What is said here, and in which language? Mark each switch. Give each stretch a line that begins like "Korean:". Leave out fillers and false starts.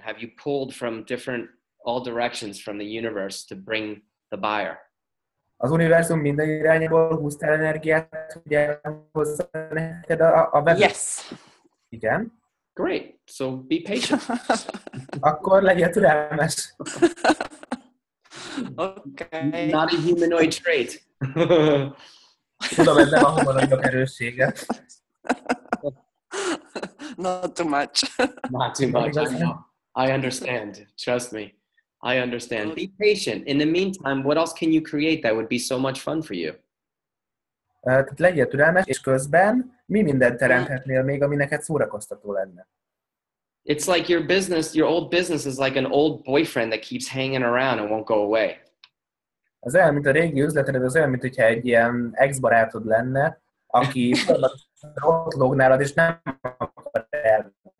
English: Have you pulled from different all directions from the universe to bring the buyer?
Hungarian: Az univerzum minden irányából húztál energiát, hogy elhozza neked a vevőt.
English: Yes.
Hungarian: Igen.
English: Great. So be patient.
Hungarian: Akkor legyél türelmes.
English: Okay. Not a humanoid trait.
Hungarian: Tudom, ez nem a humanoidok erőssége.
English: Not too much. Not too much. I understand. Trust me. I understand. Be patient. In the meantime, what else can you create that would be so much fun for you?
Hungarian: Tehát legyél türelmes, és közben mi mindent teremthetnél még, ami neked szórakoztató lenne?
English: It's like your business, your old business is like an old boyfriend that keeps hanging around and won't go away.
Hungarian: Az olyan, mint a régi üzleted, az olyan, mint hogyha egy ilyen ex-barátod lenne, aki ott lóg nálad, és nem akar elmenni.